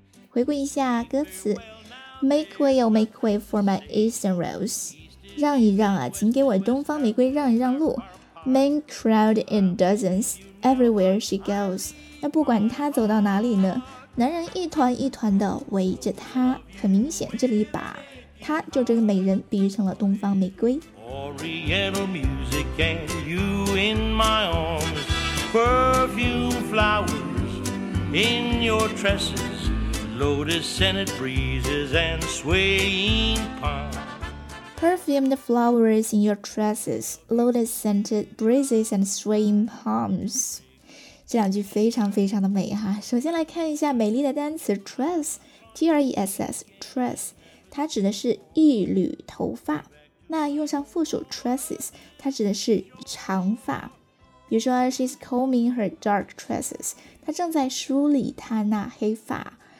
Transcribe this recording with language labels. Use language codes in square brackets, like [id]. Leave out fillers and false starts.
[zh] 回顾一下歌词 ， [en] Make way, oh make way for my eastern rose， [zh] 让一让啊，请给我东方玫瑰让一让路。 [en] Men crowd in dozens everywhere she goes， [zh] 那不管她走到哪里呢，男人一团一团的围着她。很明显，这里把她就这个美人比喻成了东方玫瑰。 [en] Oriental music and you in my arms, perfume flowers in your tresses. Lotus scented breezes and swaying palms. Perfumed flowers in your tresses. Lotus scented breezes and swaying palms. [zh] 这两句非常非常的美哈。首先来看一下美丽的单词 tress， T-R-E-S-S， tress， 它指的是一缕头发。那用上复数 tresses， 它指的是长发。比如说 [en] she's combing her dark tresses， [zh] 她正在梳理她那黑发。